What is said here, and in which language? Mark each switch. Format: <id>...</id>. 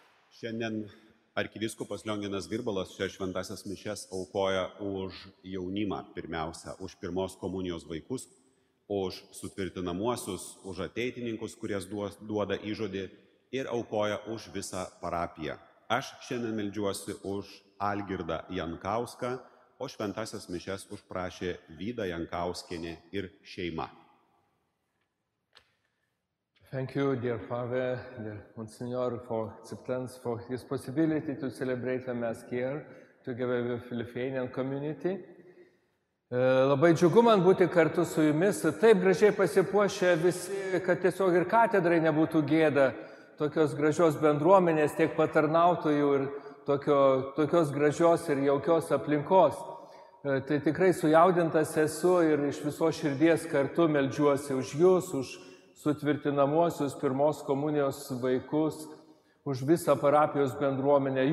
<lt>Šiandien arkivyskupas Lionginas Virbalas šias šventasias mišes aukoja už jaunimą pirmiausia, už pirmos komunijos vaikus, už sutvirtinamuosius, už ateitininkus, kuries duoda įžodį ir aukoja už visą parapiją. Aš šiandien meldžiuosi už Algirdą Jankauską, o šventasias mišes užprašė Vydą Jankauskienį ir šeimą.</lt> <en>Thank you, dear Father, dear Monsignor, for acceptance, for this possibility to celebrate the Mass here, together with the Lithuanian community.</en> <lt>Labai džiugu man būti kartu su jumis. Taip gražiai pasipuošė visi, kad tiesiog ir katedrai nebūtų gėda tokios gražios bendruomenės, tiek patarnautojų ir tokios gražios ir jaukios aplinkos. Tai tikrai sujaudintas esu ir iš viso širdies kartu meldžiuosi už jūs, už sutvirtinamuosius pirmos komunijos vaikus, už visą parapijos bendruomenę.</lt>